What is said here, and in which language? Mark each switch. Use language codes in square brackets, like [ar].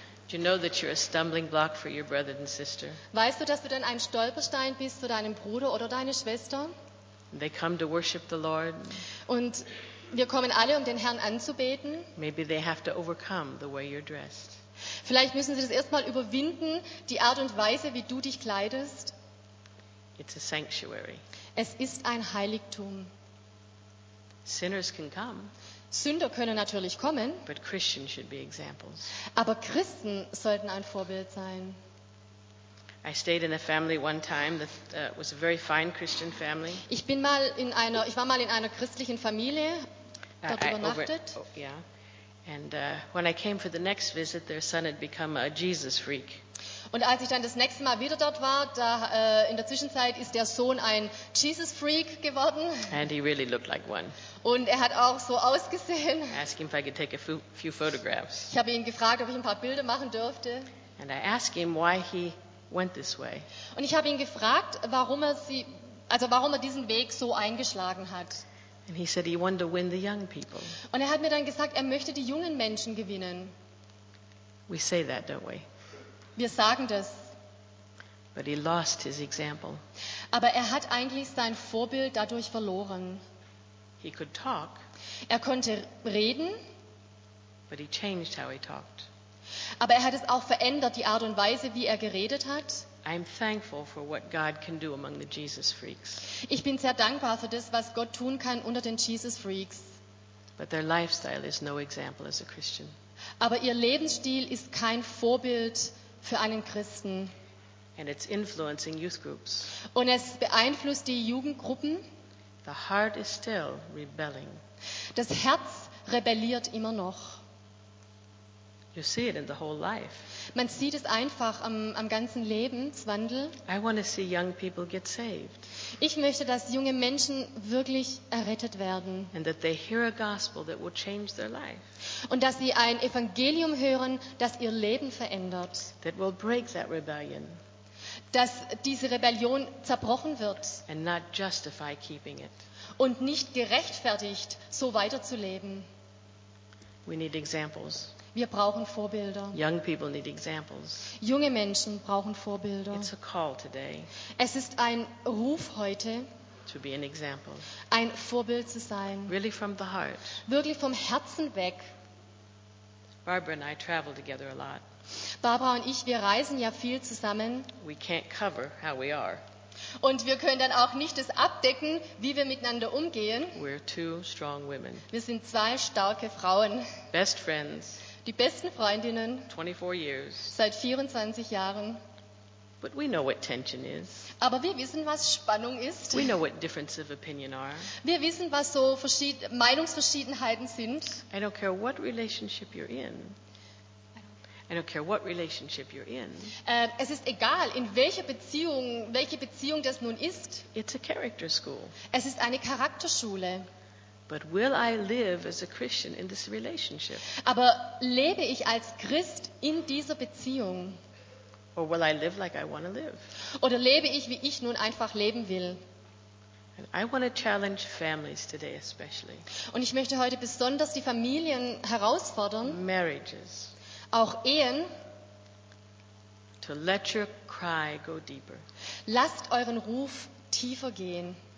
[en] Do you know that you're a stumbling block for your brother and sister? [de] Weißt du, dass du dann ein Stolperstein bist für deinen Bruder oder deine Schwester? [en] They come to worship the Lord. [de] Und wir kommen alle, um den Herrn anzubeten. [en] Maybe they have to overcome the way you're dressed. [de] Vielleicht müssen sie das erstmal überwinden, die Art und Weise, wie du dich kleidest. [en] It's a sanctuary. [de] Es ist ein Heiligtum. [en] Sinners can come. [de] Sünder können natürlich kommen. [en] But Christians should be examples. [de] Aber Christen sollten ein Vorbild sein. [en] I stayed in a family one time that was a very fine Christian family. [de] Ich war mal in einer christlichen Familie dort übernachtet. [en] And when I came for the next visit, their son had become a Jesus freak. [de] Und als ich dann das nächste Mal wieder dort war, da in der Zwischenzeit ist der Sohn ein Jesus Freak geworden. [en] And he really looked like one. [de] Und er hat auch so ausgesehen. [en] Asked him if I could take a few photographs. [de] Ich habe ihn gefragt, ob ich ein paar Bilder machen dürfte. [en] And I asked him why he went this way. [de] Und ich habe ihn gefragt, warum er diesen Weg so eingeschlagen hat. [en] And he said he wanted to win the young people. [de] Und er hat mir dann gesagt, er möchte die jungen Menschen gewinnen. [en] We say that, don't we? [de] Wir sagen das. [en] But he lost his example. [de] Aber er hat eigentlich sein Vorbild dadurch verloren. [en] He could talk. [de] Er konnte reden. [en] But he changed how he talked. [de] Aber er hat es auch verändert, die Art und Weise, wie er geredet hat. [en] I'm thankful for what God can do among the Jesus freaks. [de] Ich bin sehr dankbar für das, was Gott tun kann unter den Jesus Freaks. [en] But their lifestyle is no example as a Christian. [de] Aber ihr Lebensstil ist kein Vorbild für einen Christen. [en] And it's influencing youth groups. [de] Und es beeinflusst die Jugendgruppen. [en] The heart is still rebelling. [de] Das Herz rebelliert immer noch. [en] You see it in the whole life. [de] Man sieht es einfach am ganzen Lebenswandel. [en] I want to see young people get saved. [de] Ich möchte, dass junge Menschen wirklich errettet werden. [en] And that they hear a gospel that will change their life. [de] Und dass sie ein Evangelium hören, das ihr Leben verändert. [en] That will break that rebellion. [de] Dass diese Rebellion zerbrochen wird. [en] And not justify keeping it. [de] Und nicht gerechtfertigt, so weiterzuleben. [en] We need examples. [de] Wir brauchen Vorbilder. [en] Young people need examples. [de] Junge Menschen brauchen Vorbilder. [en] It's a call today. [de] Es ist ein Ruf heute. [en] To be an example. [de] Ein Vorbild zu sein. [en] Really from the heart. [de] Wirklich vom Herzen weg. [en] Barbara and I travel together a lot. [de] Barbara und ich, wir reisen ja viel zusammen. [en] We can't cover how we are. [de] Und wir können dann auch nicht das abdecken, wie wir miteinander umgehen. [en] We're two strong women. [de] Wir sind zwei starke Frauen. [en] Best friends. [de] Die besten Freundinnen. [en] 24 years. [de] Seit 24 Jahren. [en] But we know what tension is. [de] Aber wir wissen, was Spannung ist. [en] We know what difference of opinion are. [de] Wir wissen, was so Meinungsverschiedenheiten sind. [en] I don't care what relationship you're in. I don't care what relationship you're in. [de] Es ist egal, in welche Beziehung das nun ist. [en] It's a character school. [de] Es ist eine Charakterschule. [en] But will I live as a Christian in this relationship? [de] Aber lebe ich als Christ in dieser Beziehung? [en] Or will I live like I want to live? [de] Oder lebe ich, wie ich nun einfach leben will? [en] And I want to challenge families today especially. [de] Und ich möchte heute besonders die Familien herausfordern. [en] Marriages. [de] Auch Ehen. [en] To let your cry go deeper. [de] Lasst euren Ruf tiefer gehen.